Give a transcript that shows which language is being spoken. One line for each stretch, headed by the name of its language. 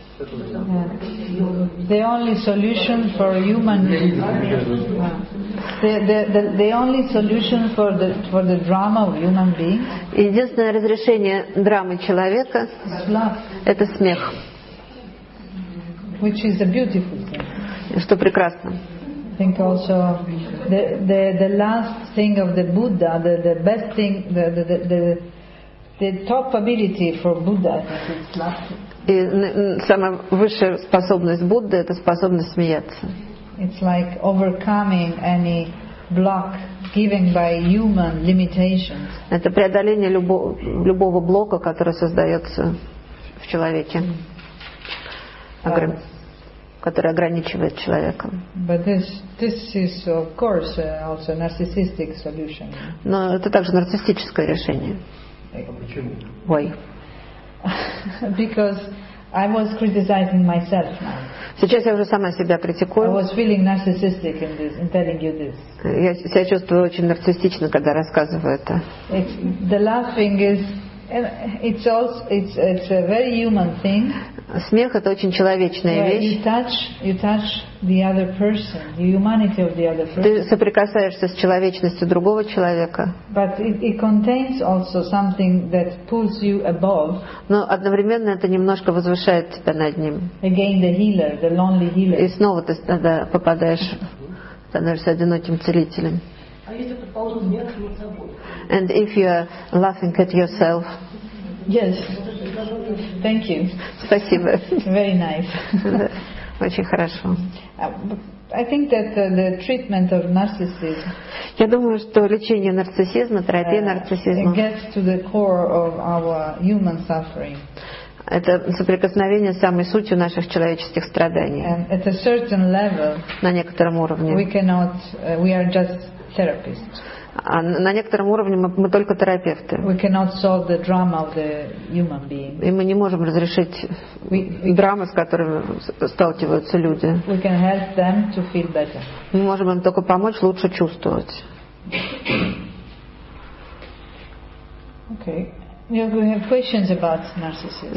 English: Yeah. The only solution for human the only solution for the drama of human being.
Russian: Единственное разрешение драмы человека это смех.
English: Which is a beautiful thing.
Russian: Что прекрасно.
English: I think also the last thing of the Buddha, the best thing the top ability for Buddha is laughter.
Russian: И самая высшая способность Будды это способность смеяться.
English: It's like overcoming any block given by human limitations.
Russian: Это преодоление любого блока, который создается в человеке, который ограничивает человека.
English: But this is of course also narcissistic solution.
Russian: Но это также нарциссическое решение. Почему?
English: Why? Because I was criticizing myself now.
Russian: Сейчас я уже сама себя критикую.
English: I was feeling narcissistic in this, in telling you this.
Russian: Я себя чувствую очень нарциссично, когда рассказываю это.
English: It's, the laughing is, it's also, it's a very human thing.
Russian: Смех это очень человечная вещь.
English: You touch the other person, the humanity of the other person.
Russian: Ты соприкасаешься с человечностью другого человека.
English: But it contains also something that pulls you above.
Russian: Но одновременно это немножко возвышает тебя над ним.
English: Again the healer, the lonely healer.
Russian: И снова ты тогда попадаешь, становишься одиноким целителем. А если ты положил смех над собой?
English: And if you are laughing at yourself. Yes. Thank you.
Russian: Спасибо.
English: Very nice.
Russian: Очень хорошо.
English: I think that the treatment of narcissism.
Russian: Я думаю, что лечение нарциссизма, терапия нарциссизма.
English: Gets to the core of our human suffering.
Russian: Это соприкосновение с самой сутью наших человеческих страданий.
English: And at a certain level.
Russian: На некотором уровне.
English: We cannot. We are just therapists.
Russian: А на некотором уровне мы только терапевты.
English: We cannot solve the drama of the human being.
Russian: И мы не можем разрешить драмы, с которыми сталкиваются люди.
English: We can help them to feel better.
Russian: Мы можем им только помочь лучше чувствовать.
English: Okay. You have questions about narcissism?